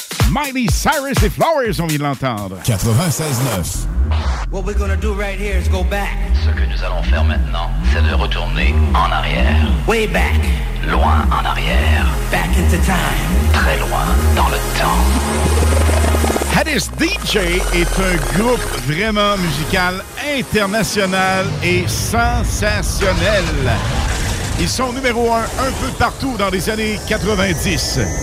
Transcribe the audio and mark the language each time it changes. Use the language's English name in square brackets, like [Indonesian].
[French] Miley Cyrus et Flowers, on vient de l'entendre. 96.9. [English] What we're gonna do right here is go back. [French] Ce que nous allons faire maintenant, c'est de retourner en arrière. [English] Way back. [French] Loin en arrière. [English] Back into time. [French] Très loin dans le temps. Haddis DJ est un groupe vraiment musical, international et sensationnel. Ils sont numéro un peu partout dans les années 90.